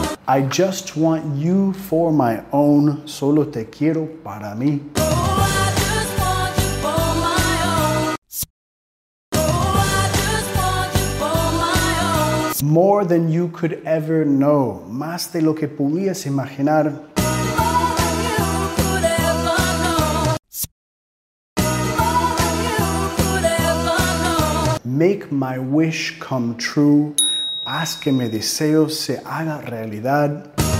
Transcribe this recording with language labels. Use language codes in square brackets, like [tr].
[en] I just want you for my own. [es] Solo te quiero para mí. [en] Oh, I just want you for my own. Oh, I just want you for my own. More than you could ever know. [es] Más de lo que podías imaginar. [en] More than you could ever know. More than you could make my wish come true. [es] Haz que mi deseo se haga realidad.